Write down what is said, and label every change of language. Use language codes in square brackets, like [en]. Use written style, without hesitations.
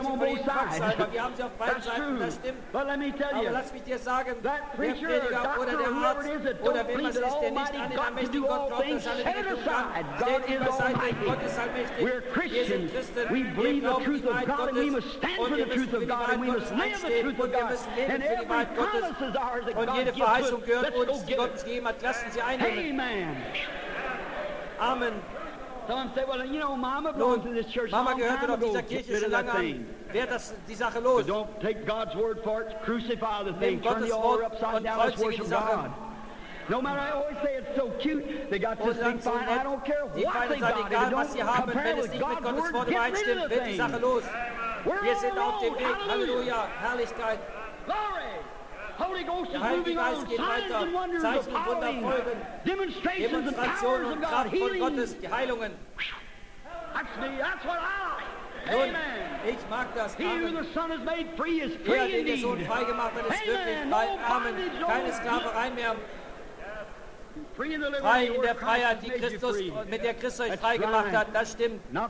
[de] Wir haben sie auf beiden Seiten. Das stimmt. Aber lass mich dir sagen, der Prediger oder der Arzt oder wer man ist, der nicht an den allmächtigen Gott glaubt, dass alle Dinge tun kann, steht ihm beiseite. Gott ist allmächtig. Wir sind Christen. Wir glauben die Wahrheit Gottes. Und wir müssen für die Wahrheit Gottes einstehen. Und wir müssen leben für die Wahrheit Gottes. Und jede Verheißung gehört uns, die Gott uns gegeben hat. Lassen Sie einnehmen. Amen. Amen. [en] Someone said, "Well, you know, Mama belongs to this church. [de] Mama gehörte doch dieser Kirche schon lange an. Wer das die Sache los? [en] So don't take God's word for it. Crucify the thing. Turn the altar upside down. Let's worship God." No matter, I always say it's so cute. They got this thing fine. I don't care what they got. [de] Die Feinde sagen, egal was sie haben, wenn es nicht mit Gottes Wort übereinstimmt, wird die Sache los. Wir sind auf dem Weg. Halleluja, Herrlichkeit. [en] Glory. Holy Ghost is moving on. Signs and wonders of power, demonstrations and powers of God, healings. [de] Heilungen. [en] That's me. That's what I like. Amen. [de] Ich mag das. [en] He who the Son has made free is free indeed. [de] Der Sohn frei gemacht hat, ist wirklich frei. Amen. Keine Sklaverei mehr. Frei in der Freiheit, die Christus, mit der Christus euch freigemacht hat, das stimmt.